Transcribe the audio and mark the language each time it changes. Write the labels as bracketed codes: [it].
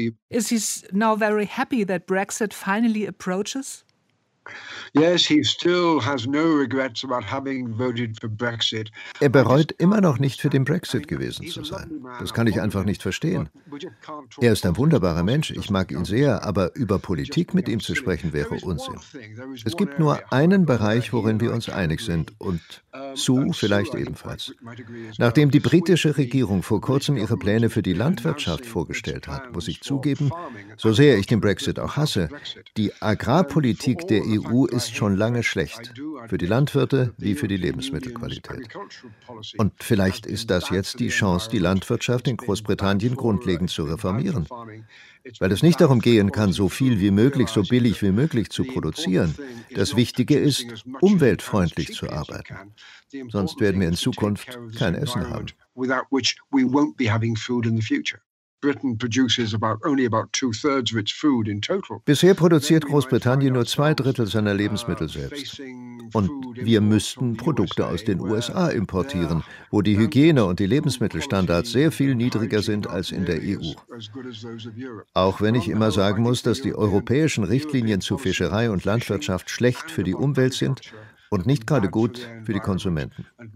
[en] Is he now very happy that Brexit finally approaches? Yes, he still has no regrets about having voted for Brexit. [de] Er bereut immer noch nicht, für den Brexit gewesen zu sein. Das kann ich einfach nicht verstehen. Er ist ein wunderbarer Mensch, ich mag ihn sehr, aber über Politik mit ihm zu sprechen wäre Unsinn. Es gibt nur einen Bereich, worin wir uns einig sind, und Sue vielleicht ebenfalls. Nachdem die britische Regierung vor kurzem ihre Pläne für die Landwirtschaft vorgestellt hat, muss ich zugeben, so sehr ich den Brexit auch hasse, die Agrarpolitik der EU ist schon lange schlecht, für die Landwirte wie für die Lebensmittelqualität. Und vielleicht ist das jetzt die Chance, die Landwirtschaft in Großbritannien grundlegend zu reformieren. Weil es nicht darum gehen kann, so viel wie möglich, so billig wie möglich zu produzieren. Das Wichtige ist, umweltfreundlich zu arbeiten. Sonst werden wir in Zukunft kein Essen haben. [en] Without which we won't be having food in the future. Britain produces only about 2/3 of its food in total. [de] Bisher produziert Großbritannien nur 2/3 seiner Lebensmittel selbst. Und wir müssten Produkte aus den USA importieren, wo die Hygiene und die Lebensmittelstandards sehr viel niedriger sind als in der EU. Auch wenn ich immer sagen muss, dass die europäischen Richtlinien zu Fischerei und Landwirtschaft schlecht für die Umwelt sind und nicht gerade gut für die Konsumenten.